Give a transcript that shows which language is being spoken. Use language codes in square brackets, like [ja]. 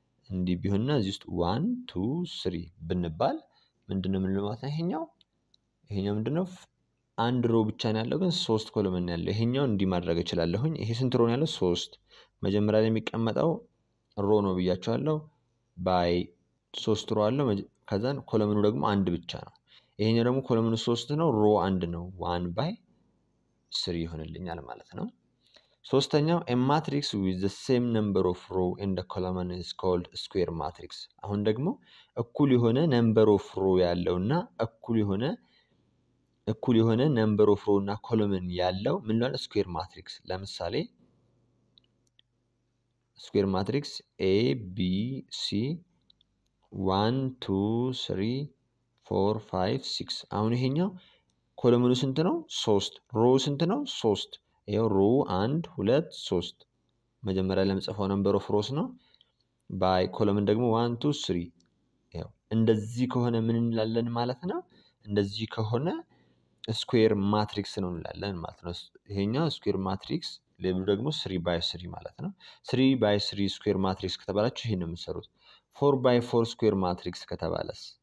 [am] እንዲህ ቢሆንና እዚህ ውስጥ 1 2 3 ብንባል ምንድነው ምን ለማለት ነው ይሄኛው ምንድነው አንድ row ብቻ ነው ያለው ግን 3 ኮሎም ነው ያለው ይሄኛው እንዲህ ማድረግ እችላለሁኝ ይሄ ስንት row ነው ያለው 3 መጀመሪያ ላይ የሚቀመጠው row ነው ብያቸዋለሁ by 3 ሮ አለ ከዛን ኮሎምኑ ደግሞ 1 ብቻ ነው ይሄኛው ደግሞ ኮሎምኑ 3 ነው ሮ 1 ነው 1 ባይ 3 ይሆንልኛል ማለት ነው ሶስተኛው [en] a matrix with the same number of row in the column is called square matrix. [am] አሁን ደግሞ እኩል የሆነ number of row ያለውና እኩል የሆነ number of row እና column ያለው ምን ነው square matrix? ለምሳሌ square matrix a b c 1 2 3 4 5 6. አሁን ይሄኛው ኮሎምኑ ስንት ነው? 3. ሮው ስንት ነው? 3. ይሄው ሮው 1 2 3 መጀመሪያ ለምጽፈው ነምበር ኦፍ ሮስ ነው። ባይ ኮሎምን ደግሞ 1 2 3 ይሄው እንደዚህ ከሆነ ምን እንላለን ማለት ነው? እንደዚህ ከሆነ ስኩዌር ማትሪክስ ነው እንላለን ማለት ነው። ይሄኛው ስኩዌር ማትሪክስ ሌብሉ ደግሞ 3 ባይ 3 ማለት ነው። 3 ባይ 3 ስኩዌር ማትሪክስ ከተባላችሁ ይሄን ነው የምትሰሩት። 4 ባይ 4 ስኩዌር ማትሪክስ ከተባለስ